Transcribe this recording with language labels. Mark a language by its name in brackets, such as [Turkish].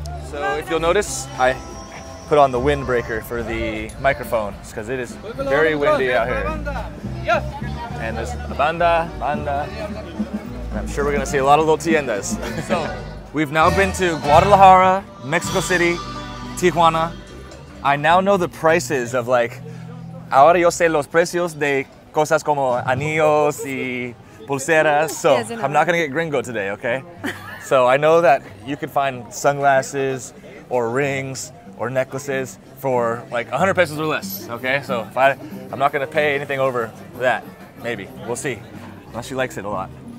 [English] So, if you'll notice, I put on the windbreaker for the microphone because it is very windy out here. And there's a banda. And I'm sure we're gonna see a lot of little tiendas. So, we've now been to Guadalajara, Mexico City, Tijuana. I now know the prices of like. [Spanish] Ahora yo sé los precios de cosas como anillos y pulseras. [English] So I'm not gonna get gringo today, okay? So I know that you can find sunglasses or rings or necklaces for like 100 pesos or less, okay? So I'm not gonna pay anything over that, maybe. We'll see. Unless she likes it a lot.